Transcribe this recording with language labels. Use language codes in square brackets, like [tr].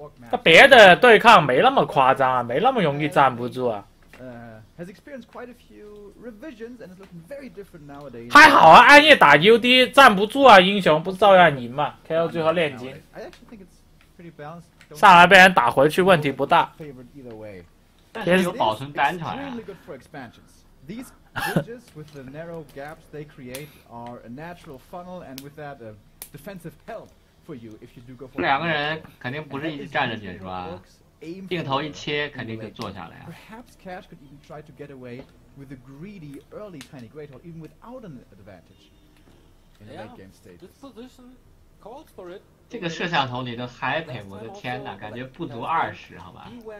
[zh] 他别的对抗没那么夸张啊，没那么容易站不住啊。 [en] has experienced quite a few revisions and is looking very different nowadays. [zh] 还好啊，暗夜打 UD 站不住啊，英雄不照样赢嘛 ？KO 最后炼金。 [en] I actually think it's pretty balanced. [zh] 上来被人打回去，问题不大。但是有保存单场呀、啊。 These bridges with the narrow gaps they create are a natural funnel and with that a defensive help for you if you do go for. 两个人肯定不是一直站着解说啊，定头一切肯定就坐下来、啊。 [en] Perhaps Cash could even try to get away with a greedy early tiny great hole even without an advantage in the late game stage. This position calls for it. [zh] 这个摄像头你都嗨皮，我的天哪，感觉不足二十，好吧。